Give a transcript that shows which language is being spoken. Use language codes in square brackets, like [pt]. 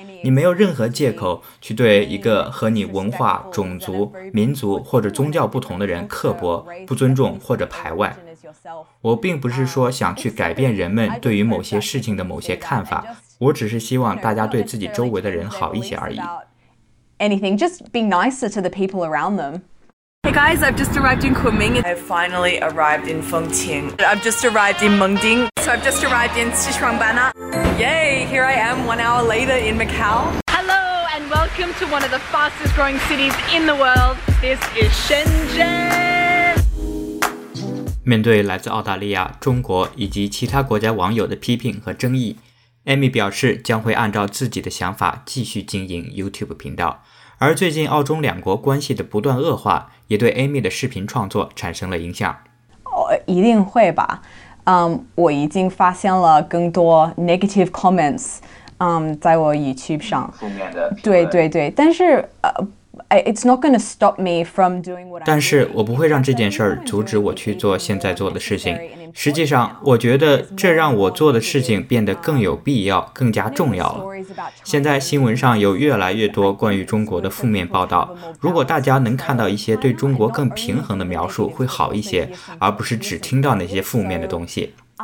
[zh] 你没有任何借口去对一个和你文化、种族、民族或者宗教不同的人刻薄、不尊重或者排外。我并不是说想去改变人们对于某些事情的某些看法，我只是希望大家对自己周围的人好一些而已。 [en] Anything, just be nicer to the people around them. Hey guys, I've just arrived in Kunming. I've finally arrived in Fengqing. I've just arrived in Mengding. So I've just arrived in Sichuanbanna. Yay, here I am 1 hour later in Macau. Hello and welcome to one of the fastest growing cities in the world. This is Shenzhen. [zh] 面对来自澳大利亚、中国以及其他国家网友的批评和争议， Amy 表示将会按照自己的想法继续经营 YouTube 频道。而最近澳中两国关系的不断恶化也对 Amy 的视频创作产生了影响。一定会吧。我已经发现了更多 [en] negative comments, [zh] 在我 YouTube 上。负面的评论。对对对。但是 [en] it's not going to stop me from doing what I'm doing. [zh] 但是我不会让这件事儿阻止我去做现在做的事情。实际上我觉得这让我做的事情变得更有必要，更加重要了。现在新闻上有越来越多关于中国的负面报道，如果大家能看到一些对中国更平衡的描述会好一些，而不是只听到那些负面的东西。